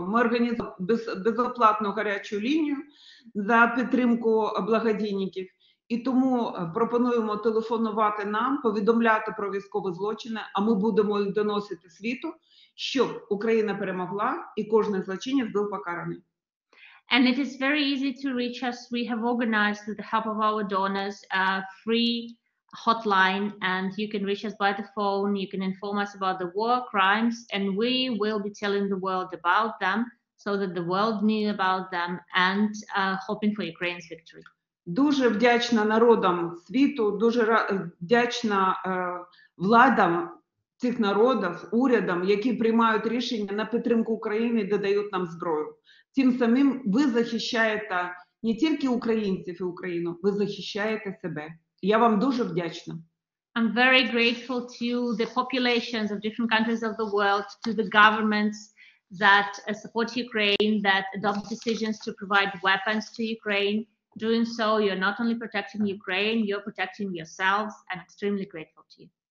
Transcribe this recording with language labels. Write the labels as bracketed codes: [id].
[uk] Ми організуємо безоплатну гарячу лінію за підтримку благодійників. І тому пропонуємо телефонувати нам, повідомляти про військові злочини, а ми будемо їх доносити світу, щоб Україна перемогла і кожен злочинець був покараний. [en] And it is very easy to reach us. We have organized, with the help of our donors, a free hotline, and you can reach us by the phone. You can inform us about the war crimes, and we will be telling the world about them so that the world knew about them, and hoping for Ukraine's victory. [uk] Дуже вдячна народам світу, дуже вдячна владам цих народів, урядам, які приймають рішення на підтримку України, додають нам зброю. Тим самим ви захищаєте не тільки українців і Україну, ви захищаєте себе. Я вам дуже вдячна. [en] I'm very grateful to the populations of different countries of the world, to the governments that support Ukraine, that adopt decisions to provide weapons to Ukraine. Doing so, you're not only protecting Ukraine, you're protecting yourselves, and extremely grateful to you.